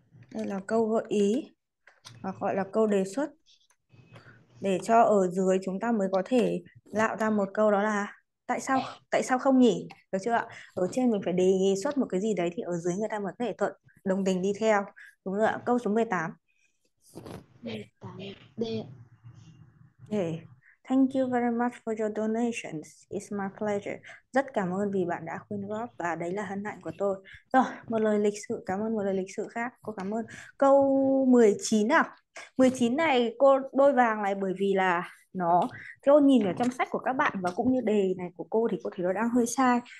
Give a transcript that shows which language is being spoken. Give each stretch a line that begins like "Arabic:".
Vietnamese: Đây là câu gợi ý, hoặc gọi là câu đề xuất. Để cho ở dưới chúng ta mới có thể tạo ra một câu, đó là tại sao không nhỉ, được chưa ạ? Ở trên mình phải đề xuất một cái gì đấy thì ở dưới người ta mới có thể thuận đồng tình đi theo, đúng rồi ạ. Câu số 18. D.
English: Hey, thank you very much for your donations. It's my pleasure.
Vietnamese: Rất cảm ơn vì bạn đã quyên góp và đấy là hân hạnh của tôi. Rồi, một lời lịch sự, cảm ơn một lời lịch sự khác. Cô cảm ơn. Câu 19 nào. 19 này cô đôi vàng này bởi vì là nó theo nhìn ở trong sách của các bạn và cũng như đề này của cô thì cô thấy nó đang hơi sai.